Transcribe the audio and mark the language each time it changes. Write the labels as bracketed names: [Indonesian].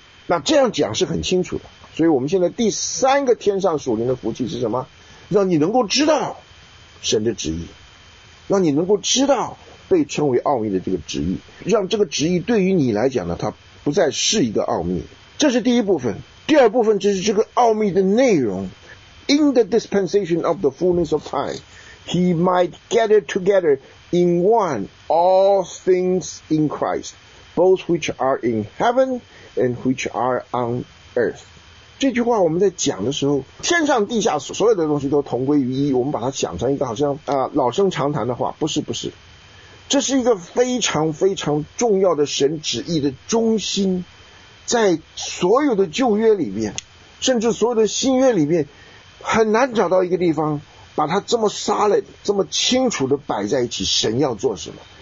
[Chinese] 那这样讲是很清楚的。所以我们现在第三个天上属灵的福气是什么？让你能够知道神的旨意，让你能够知道被称为奥秘的这个旨意，让这个旨意对于你来讲呢，它不再是一个奥秘。这是第一部分。第二部分就是这个奥秘的内容。 [English] In the dispensation of the fullness of time, he might gather together in one all things in Christ, both which are in heaven and which are on earth. [Chinese] 这句话我们在讲的时候，天上地下所有的东西都同归于一，我们把它想成一个好像老生常谈的话。不是不是，这是一个非常非常重要的神旨意的中心。在所有的旧约里面，甚至所有的新约里面，很难找到一个地方把它这么 solid 这么清楚的摆在一起。神要做什么？